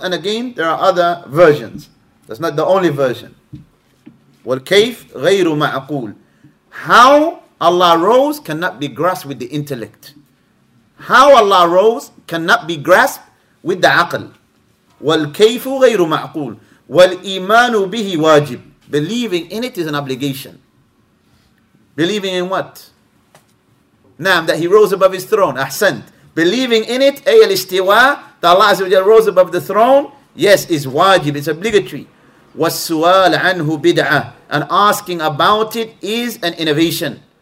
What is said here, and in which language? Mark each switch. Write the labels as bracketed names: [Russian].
[English] And again, there are other versions. That's not the only version. [Arabic] وَالْكَيْفْ غَيْرُ مَعْقُولُ. [English] How Allah rose cannot be grasped with the intellect. How Allah rose cannot be grasped with the aql. [Arabic] وَالْكَيْفُ غَيْرُ مَعْقُولُ. وَالْإِيمَانُ بِهِ wajib. [English] Believing in it is an obligation. Believing in what? Naam, that he rose above his throne. Ahsant. Believing in it, ay al-istiwa, that Allah Azza wa Jalla rose above the throne, yes, is wajib, it's obligatory. [Arabic] Was-su'al anhu bid'ah, [English] and asking about it is an innovation.